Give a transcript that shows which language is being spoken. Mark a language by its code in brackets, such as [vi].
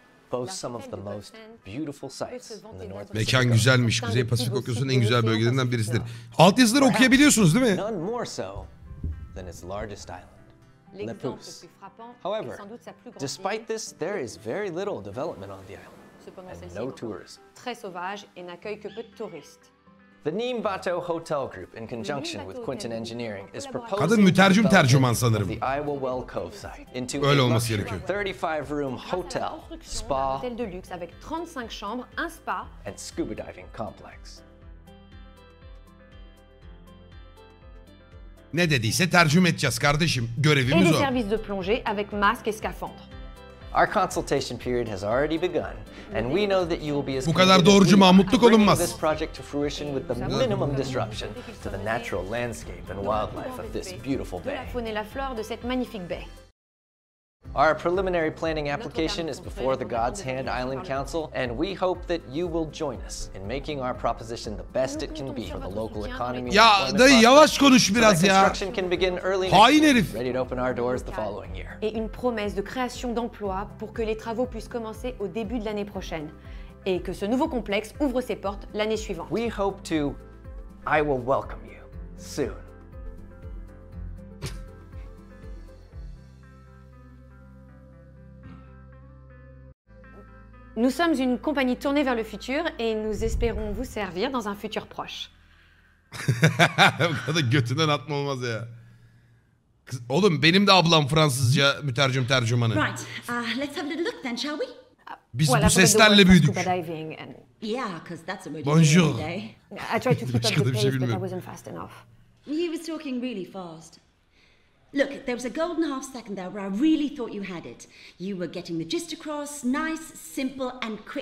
[en] Both some of the most beautiful sites in the North [tr] Pacific. Mekan güzelmiş. Kuzey Pasifik Okyanusu'nun en güzel bölgelerinden birisidir. Alt yazıları okuyabiliyorsunuz değil mi? [en] None more so than its largest island, Lipus. However, despite this, there is very little development on the island and no tourists. [fr] Très sauvage et n'accueille que peu de touristes. [en] The Neem Bato Hotel Group, in conjunction with Quinton Engineering, is proposing [tr] kadın mütercim tercüman sanırım. [en] The Iowa Well Cove site into a 35-room hotel, spa, [fr] hotel de luxe avec 35 chambres, un spa, [en] and scuba diving complex. [tr] Ne dediyse tercüme edeceğiz kardeşim. Görevimiz o. [fr] Et des services de plongée avec masque et scaphandre. [en] Our consultation period has already begun and we know that you will be as [tr] bu kadar doğrucu Mahmutluk olunmaz. [en] This project to fruition with the minimum disruption to the natural landscape and wildlife of this beautiful bay. [fr] La faune et la flore de cette magnifique bay. [en] Our preliminary planning application is before the God's Hand Island Council and we hope that you will join us in making our proposition the best it can be for the local economy. [tr] Ya dayı yavaş konuş biraz ya. [en] Construction can begin early next [tr] year. Hain herif. [en] Ready to open our doors the following year. [fr] Et une promesse de création d'emplois pour que les travaux puissent commencer au début de l'année prochaine et que ce nouveau complexe ouvre ses portes l'année suivante. [en] We hope to I will welcome you soon. [fr] Nous sommes une compagnie tournée vers le futur et nous espérons vous servir dans un futur proche. [tr] Bu kadar götünden atma olmaz ya. Kız, oğlum benim de ablam Fransızca mütercim tercümanı. [en] Right. Let's have a little look then, shall we? [tr] Biz bu seslerle büyüdük. [en] And... Yeah, cause that's a [fr] bonjour. [en] I tried to keep up the pace, şey but I wasn't fast enough. He was talking really fast. Look, there was a golden half second there where I really thought you had it. You were getting the gist across, nice, simple and quick.